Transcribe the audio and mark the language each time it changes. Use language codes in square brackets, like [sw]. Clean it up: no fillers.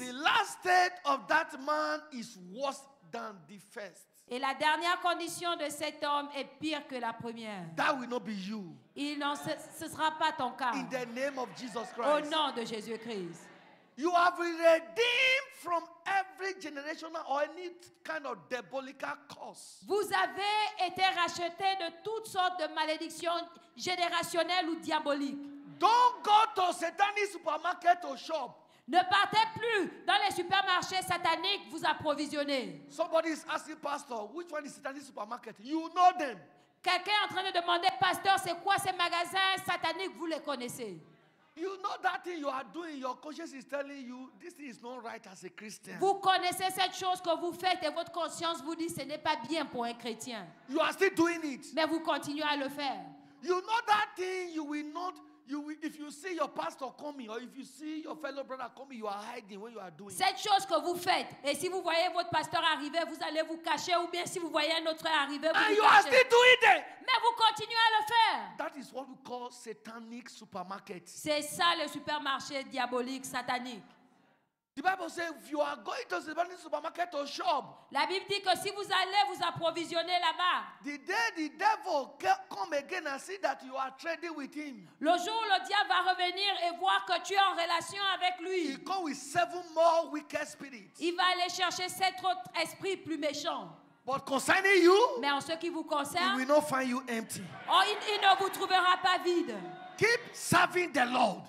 [en] And the last state of that man is worse than the first. [fr] Et la dernière condition de cet homme est pire que la première. [en] That will not be you. [fr] Il n'en ce sera pas ton cas. [en] In the name of Jesus Christ. [fr] Au nom de Jésus Christ. [en] You have been redeemed from every generational or any kind of diabolical curse. [fr] Vous avez été racheté de toutes sortes de malédictions générationnelles ou diaboliques. [en] Don't go to satanic supermarket or shop. [fr] Ne partez plus dans les supermarchés sataniques vous approvisionner. [en] Somebody is asking pastor, which one is satanic supermarket? You know them. [fr] Quelqu'un est en train de demander pasteur, c'est quoi ces magasins sataniques? Vous les connaissez? [en] You know that thing you are doing. Your conscience is telling you this thing is not right as a Christian. [fr] Vous connaissez cette chose que vous faites et votre conscience vous dit ce n'est pas bien pour un chrétien. [en] You are still doing it. [fr] Mais vous continuez à le faire. [en] You know that thing you will not. If you see your pastor coming, or if you see your fellow brother coming, you are hiding what you are doing. [fr] Cette chose que vous faites, et si vous voyez votre pasteur arriver, vous allez vous cacher, ou bien si vous voyez un autre arriver, vous [en] and you are still doing it. [fr] Mais vous continuez à le faire. [en] That is what we call satanic supermarket. [fr] C'est ça le supermarché diabolique, satanique. [en] The Bible says if you are going to the satanic supermarket or shop. [fr] La Bible dit que si vous allez vous approvisionner là-bas. [en] The day the devil come again and see that you are trading with him. [fr] Le jour où le diable va revenir et voir que tu es en relation avec lui. [en] He come with seven more wicked spirits. [fr] Il va aller chercher sept autres esprits plus méchants. [en] But concerning you. [fr] Mais en ce qui vous concerne. [en] He will not find you empty. [fr] Oh, il ne vous trouvera pas vide. [en] Keep serving the Lord.